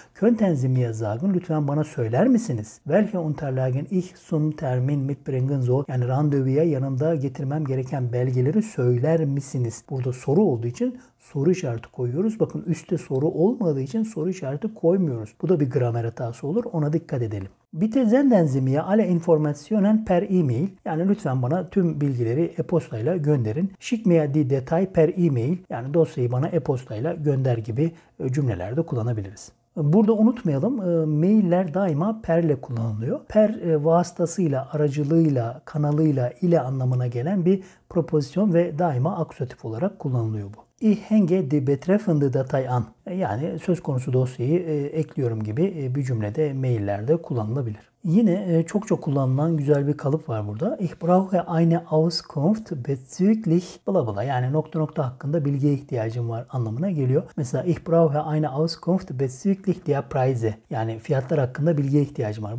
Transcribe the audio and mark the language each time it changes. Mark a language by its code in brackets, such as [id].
[de] Könnten Sie mir sagen, [tr] lütfen bana söyler misiniz? [de] Welche Unterlagen ich zum Termin mitbringen soll, [tr] yani randevuya yanımda getirmem gereken belgeleri söyler misiniz? Burada soru olduğu için soru işareti koyuyoruz. Bakın üstte soru olmadığı için soru işareti koymuyoruz. Bu da bir gramer hatası olur. Ona dikkat edelim. [de] Bitte senden Sie mir alle Informationen per E-Mail. [tr] Yani lütfen bana tüm bilgileri e-postayla gönderin. [de] Schick mir die Detail per E-Mail. [tr] Yani dosyayı bana e-postayla gönder gibi cümlelerde kullanabiliriz. Burada unutmayalım, mailler daima per ile kullanılıyor. Per vasıtasıyla, aracılığıyla, kanalıyla, ile anlamına gelen bir propozisyon ve daima akuzatif olarak kullanılıyor bu. [de] Ich hänge die betreffende Datei an. [tr] Yani söz konusu dosyayı ekliyorum gibi bir cümlede maillerde kullanılabilir. Yine çok çok kullanılan güzel bir kalıp var burada. [de] Ich brauche eine Auskunft bezüglich bla bla, [tr] yani nokta nokta hakkında bilgiye ihtiyacım var anlamına geliyor. Mesela [de] Ich brauche eine Auskunft bezüglich der Preise, [tr] yani fiyatlar hakkında bilgiye ihtiyacım var.